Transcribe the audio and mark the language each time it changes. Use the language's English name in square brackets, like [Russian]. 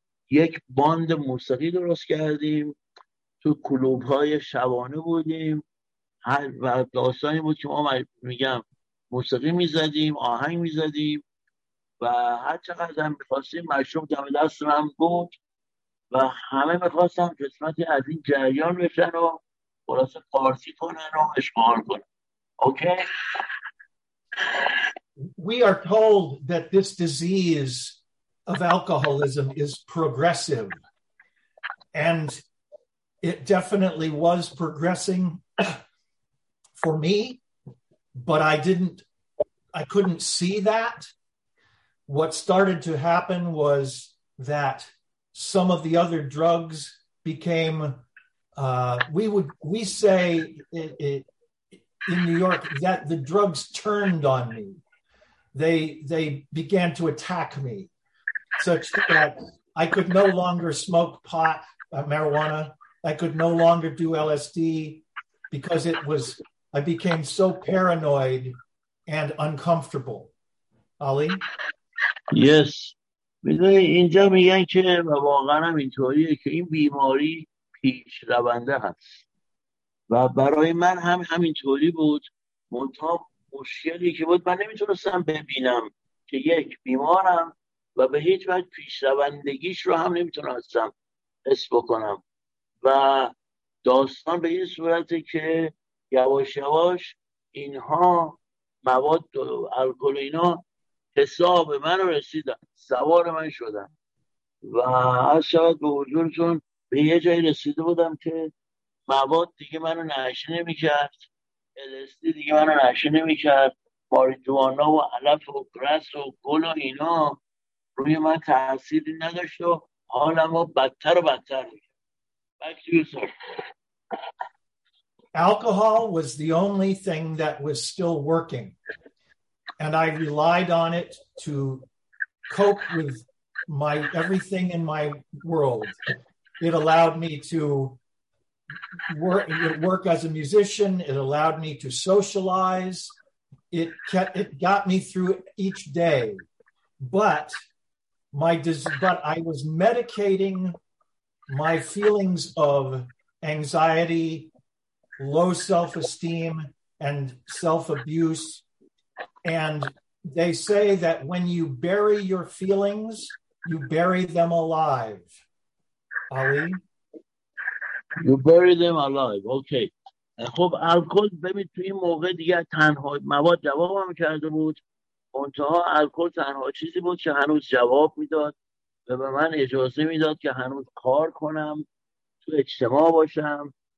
[Persian] یک باند موسیقی درست کردیم، تو کلوب های شبانه بودیم، هر وقت داستانی بود که ما میگم موسیقی میزدیم، آهنگ میزدیم، و هر چقدر هم میخواستیم مشروب دم دست من بود و همه میخواستم قسمتی از این جریان بشن و خلاصه پارتی کنن و اشغال کنن. [English] Okay? We are told that this disease of alcoholism is progressive, and it definitely was progressing for me, but I couldn't see that. What started to happen was that some of the other drugs became, we say in New York that the drugs turned on me. They began to attack me, such that I could no longer smoke pot, marijuana. I could no longer do LSD because it was, I became so paranoid and uncomfortable. Ali? Yes. [Persian] میدونی اینجا میگن که، و واقعا هم اینطوریه که، این بیماری پیش رونده هست و برای من هم همینطوری بود. منتها مشکلی که بود، من نمیتونستم ببینم که یک بیمارم و به هیچ وجه پیش روندگیش رو هم نمیتونستم حس بکنم، و داستان به این صورته که یواش یواش اینها مواد و الکل اینا حساب من رو رسیدن، سوار من شدن، و از شاید به حضورتون به یه جایی رسیده بودم که مواد دیگه من رو نشه نمی کرد، الستی دیگه من رو نشه نمی کرد، ماریجوانا و علف و گرس و گل و اینا روی من تأثیری نداشت و حالم رو بدتر و بدتر می کرد. [English] Back to you, sir. Alcohol was the only thing that was still working. And I relied on it to cope with my everything in my world. It allowed me to work as a musician. It allowed me to socialize. It got me through each day. But I was medicating my feelings of anxiety, low self-esteem, and self-abuse. And they say that when you bury your feelings, you bury them alive. Ali? You bury them alive. Okay. [Persian] خب الکل ببین توی این موقع دیگه تنها مواد جواب هم کرده بود، منتها الکل تنها چیزی بود که هنوز جواب میداد و به من اجازه میداد که هنوز کار کنم، تو اجتماع باشم.